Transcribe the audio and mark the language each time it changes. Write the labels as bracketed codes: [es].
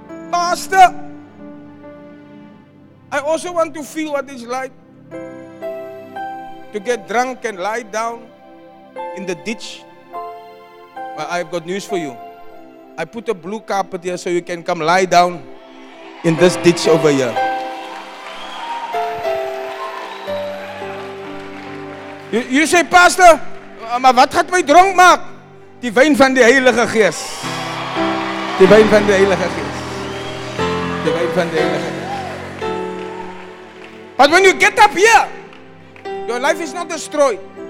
[en] Pastor, I also want to feel what it's like to get drunk and lie down in the ditch. Well, I've got news for you. I put a blue carpet here so you can come lie down in this ditch over here. You say, Pastor, [nl] maar wat gaat mij dronk maken? Die wijn van de Heilige Geest. Die wijn van de Heilige Geest. Die wijn van de Heilige Geest. [en] But when you get up here, your life is not destroyed.